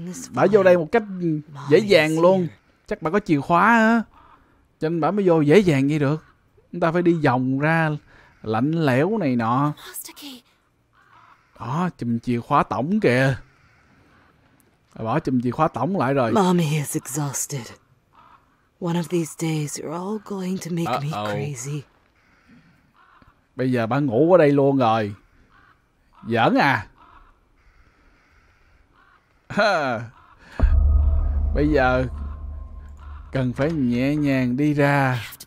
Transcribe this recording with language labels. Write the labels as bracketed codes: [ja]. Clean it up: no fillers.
[vi] Bả vô đây một cách dễ dàng luôn. Chắc bả có chìa khóa á. Cho nên bả mới vô dễ dàng như được. Chúng ta phải đi vòng ra lạnh lẽo này nọ. Đó, chùm chìa khóa tổng kìa. Bỏ chùm chìa khóa tổng lại rồi. [en] Mommy is exhausted. One of these days you're all going to make me crazy. [vi] Bây giờ bà ngủ ở đây luôn rồi. Giỡn à? Bây giờ cần phải nhẹ nhàng đi ra.